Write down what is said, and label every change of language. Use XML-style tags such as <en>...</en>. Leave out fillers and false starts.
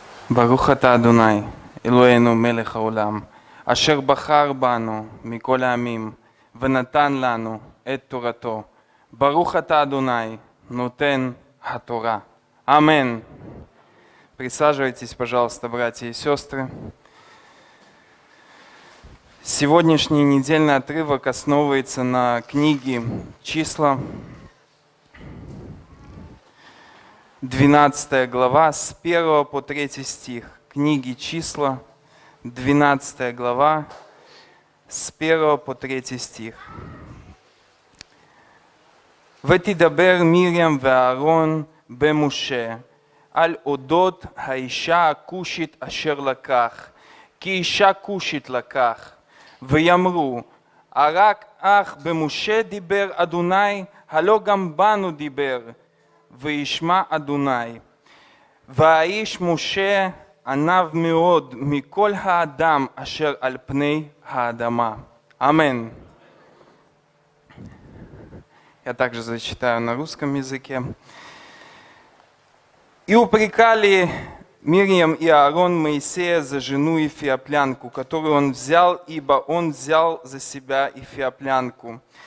<he>ברוך אתה אדוני, אלוהינו מלך העולם, אשר בחר בנו מכל העמים ונתן לנו את תורתו. ברוך אתה אדוני, נותן התורה. אמן.</he> <ru>Присаживайтесь, пожалуйста, братья и сестры. Сегодняшний недельный отрывок основывается на книге «Числа», 12 глава, с 1 по 3 стих. Книги «Числа», 12 глава, с 1 по 3 стих.</ru> <he>«Ветидабер Мирьям ваарон бемуше». Аль одот хаиша кушит ашер лаках, ки иша кушит лаках, ויאמרו, ארק אח במשה דיבר אדוני, הלא גם בנו דיבר, וישמע אדוני. והאיש משה ענב מאוד מכל האדם אשר על פני האדמה. אמן.</he> <ru>Я также зачитаю на русском языке. И упрекали Мирьям и Аарон Моисея за жену эфиоплянку, которую он взял, ибо он взял за себя эфиоплянку.</ru>